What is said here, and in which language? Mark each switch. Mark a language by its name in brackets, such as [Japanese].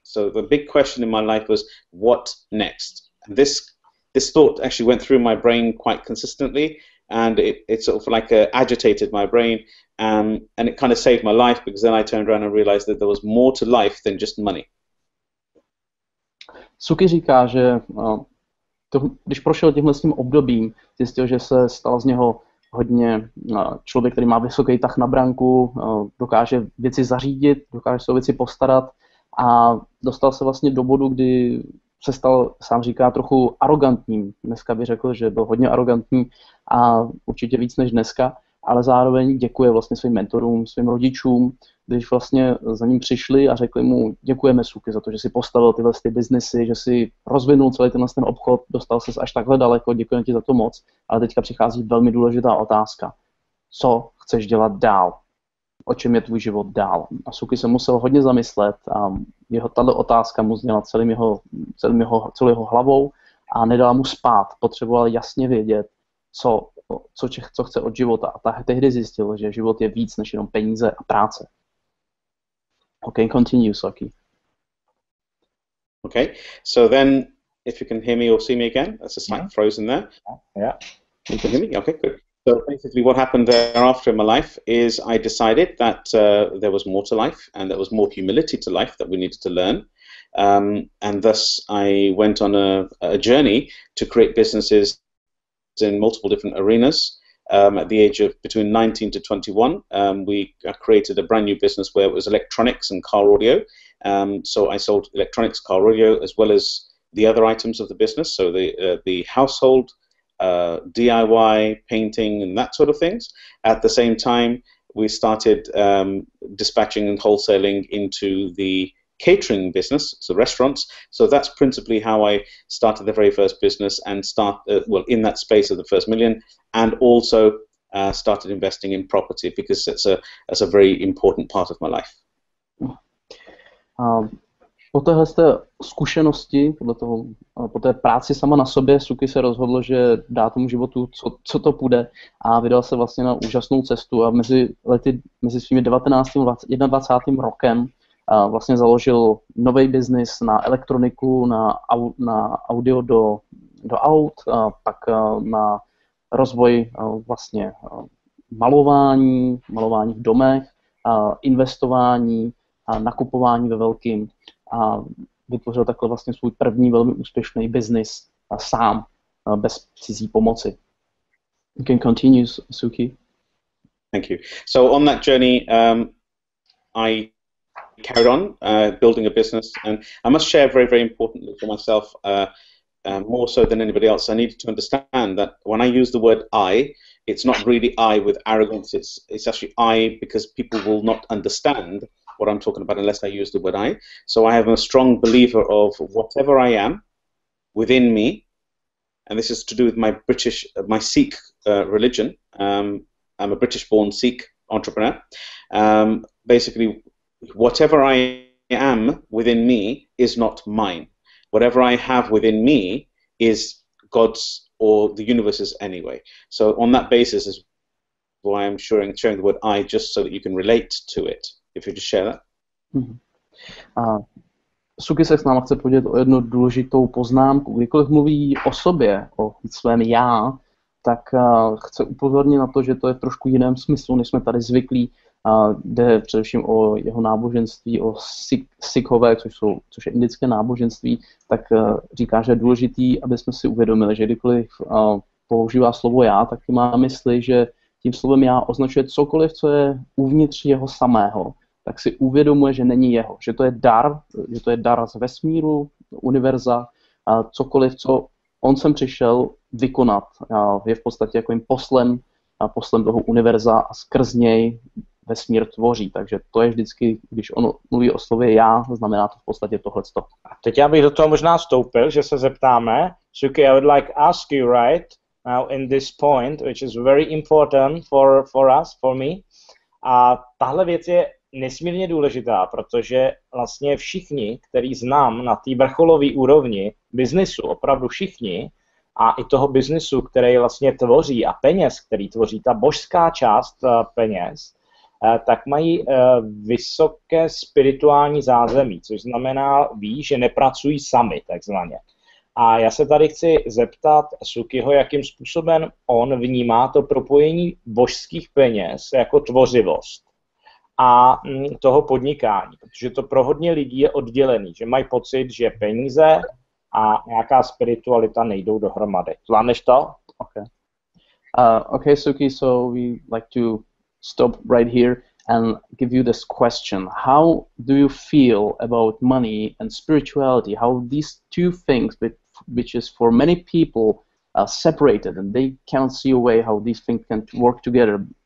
[English] So the big question in my life was, what next? And this thought actually went through my brain quite consistently, and it sort of like agitated my brain, and it kind of saved my life, because then I turned around and realized that there was more to life than just money. [Czech] Suky říká, že když prošel tímhle svým obdobím, zjistil, že se stal z něho hodně člověk, který má vysoký tah na branku, dokáže věci zařídit, dokáže se o věci postarat a dostal se vlastně do bodu, kdy se stal, sám říká, trochu arrogantním. Dneska by řekl, že byl hodně arrogantní a určitě víc než dneska, ale zároveň děkuje vlastně svým mentorům, svým rodičům, když vlastně za ním přišli a řekli mu, děkujeme Suky za to, že si postavil tyhle ty biznesy, že si rozvinul celý ten obchod, dostal ses až takhle daleko, děkujeme ti za to moc, ale teďka přichází velmi důležitá otázka. Co chceš dělat dál? O čem je tvůj život dál? A Suky se musel hodně zamyslet a jeho tato otázka mu zněla celou jeho hlavou a nedala mu spát. Potřeboval jasně vědět, co chce od života. A tehdy zjistil, že život je víc než jenom peníze a práce. [English] Okay, continue, Saki. Okay, so then, if you can hear me or see me again, that's a slight frozen there. Yeah. You can hear me? Okay, good. So basically what happened thereafter in my life is I decided that there was more to life and there was more humility to life that we needed to learn. And thus I went on a journey to create businesses in multiple different arenas. At the age of between 19 to 21, we created a brand new business where it was electronics and car audio. So I sold electronics, car audio, as well as the other items of the business, so the household, DIY, painting, and that sort of things. At the same time, we started dispatching and wholesaling into the catering business, so restaurants. So that's principally how I started the very first business and in that space of the first million, and also started investing in property because that's a very important part of my life. [Czech] Po téhle z té zkušenosti, po té práci sama na sobě, Suky se rozhodl, že dá tomu životu, co to půjde, a vydal se vlastně na úžasnou cestu a mezi svými 19. a 21. rokem vlastně založil nový biznis na elektroniku, na audio do aut, a pak na rozvoj vlastně malování v domech, investování a nakupování ve velkým a vytvořil takhle vlastně svůj první velmi úspěšný biznis sám, bez cizí pomoci. [English] You can continue, Suky. Thank you. So on that journey, I carried on building a business, and I must share very, very importantly for myself, more so than anybody else, I needed to understand that when I use the word I, it's not really I with arrogance, it's actually I because people will not understand what I'm talking about unless I use the word I. So I am a strong believer of whatever I am within me, and this is to do with my British, my Sikh religion. I'm a British-born Sikh entrepreneur. Basically, whatever I am within me is not mine. Whatever I have within me is God's or the universe's anyway. So on that basis is why I'm sharing the word I, just so that you can relate to it. If you just share that. Mm-hmm. [Czech] Suky se s náma chce podělit o jednu důležitou poznámku. Kdykoliv mluví o sobě, o svém já, tak chce upozornit na to, že to je v trošku jiném smyslu, než jsme tady zvyklí. Jde především o jeho náboženství, o Sikhové, což je indické náboženství, tak říká, že je důležitý, aby jsme si uvědomili, že kdykoliv používá slovo já, tak má mysli, že tím slovem já označuje cokoliv, co je uvnitř jeho samého, tak si uvědomuje, že není jeho, že to je dar z vesmíru, univerza, cokoliv, co on sem přišel vykonat, je v podstatě jakým poslem, poslem toho univerza a skrz něj vesmír tvoří. Takže to je vždycky, když on mluví o slově já, znamená to v podstatě tohleto. A teď já bych do toho možná vstoupil, že se zeptáme. [English] Suky, I would like ask you right now in this point, which is very important for us, for me. [Czech] A tahle věc je nesmírně důležitá, protože vlastně všichni, který znám na té vrcholové úrovni biznisu, opravdu všichni, a i toho biznisu, který vlastně tvoří a peněz, který tvoří ta božská část peněz, tak mají vysoké spirituální zázemí, což znamená, ví, že nepracují sami, takzvaně. A já se tady chci zeptat Sukyho, jakým způsobem on vnímá to propojení božských peněz jako tvořivost a toho podnikání, protože to pro hodně lidí je oddělený, že mají pocit, že peníze a nějaká spiritualita nejdou dohromady. Zvládneš to? [English] Okay, Suky, so we like to stop right here and give you this question. How do you feel about money and spirituality? How these two things, which is for many people separated and they cannot see a way how these things can work together.